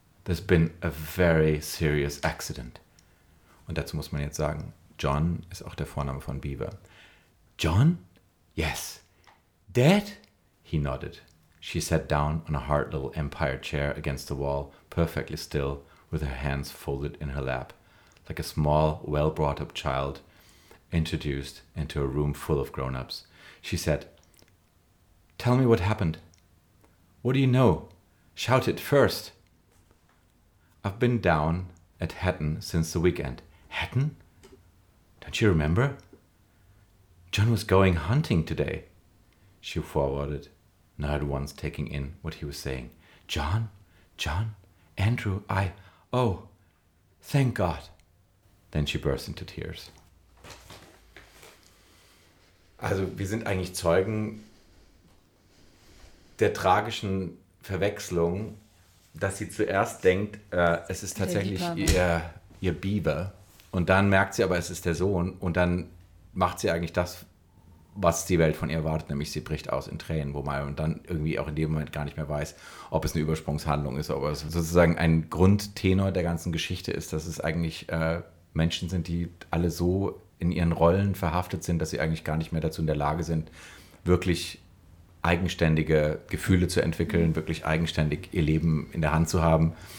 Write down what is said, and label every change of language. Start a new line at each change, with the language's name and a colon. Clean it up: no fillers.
English: There's been a very serious accident."
German: Und dazu muss man jetzt sagen, John ist auch der Vorname von Beaver.
English: "John? Yes. Dead?" He nodded. She sat down on a hard little empire chair against the wall, perfectly still, with her hands folded in her lap, like a small, well-brought-up child introduced into a room full of grown-ups. She said, "Tell me what happened. What do you know? Shout it first." "I've been down at Hatton since the weekend." "Hatton? Don't you remember? John was going hunting today." She forwarded, not at once taking in what he was saying. "John? John? Andrew? Oh, thank God." Then she burst into tears.
German: Also wir sind eigentlich Zeugen der tragischen Verwechslung, dass sie zuerst denkt, es ist tatsächlich ihr Biber. Und dann merkt sie aber, es ist der Sohn. Und dann macht sie eigentlich das, was die Welt von ihr erwartet, nämlich sie bricht aus in Tränen, wo man dann irgendwie auch in dem Moment gar nicht mehr weiß, ob es eine Übersprungshandlung ist, ob es sozusagen ein Grundtenor der ganzen Geschichte ist, dass es eigentlich Menschen sind, die alle so in ihren Rollen verhaftet sind, dass sie eigentlich gar nicht mehr dazu in der Lage sind, wirklich eigenständige Gefühle zu entwickeln, wirklich eigenständig ihr Leben in der Hand zu haben.